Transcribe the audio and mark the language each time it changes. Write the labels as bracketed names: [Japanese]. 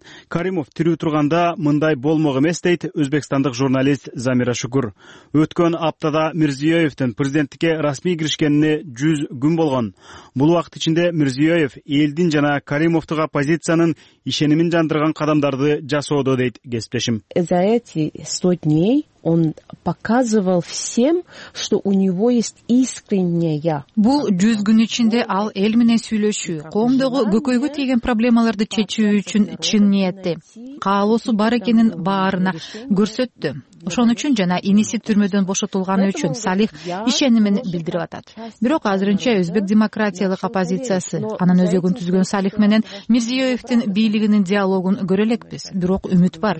[Kyrgyz] Каримов тирүү турганда мындай болмок эмес дейт өзбекстандык журналист Замира Шүкүр. Өткөн аптада Мирзиёевдин президенттикке расмий киришкенине 100 күн болгон. Бул убакыт ичинде Мирзиёев элдин жана Каримовдук оппозициянын ишенимин жандырган кадамдарды жасоодо дейт кесиптешим. [Russian] За эти 100 дней он показывал всем, что у него есть искреннее я. [Kyrgyz] Бул 100 күн ичинде ал эл менен сүйлөшүү, коомдогу көкөйгү тийген проблемаларды чечүү үчүн чын ниетти. Каалоосу бар экенин баарына көрсөттү. Ошон үчүн жана иниси түрмөдөн бошотулганы үчүн Салих ишенимин билдирип атат. Бирок азырынча өзбек демократиялык оппозициясы анын өзөгүн түзгөн Салих менен Мирзиёевдин бийлигинин диалогун көрө элекпиз, бирок үмүт бар.